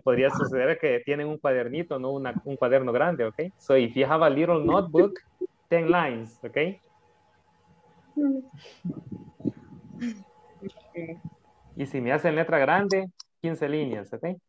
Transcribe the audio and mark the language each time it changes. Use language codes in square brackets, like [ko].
[es] Podría suceder que tienen un cuadernito, no un cuaderno grande, okay? [en] So if you have a little notebook, 10 lines, okay? [es] Y si me hacen letra grande, 15 líneas, ¿ok?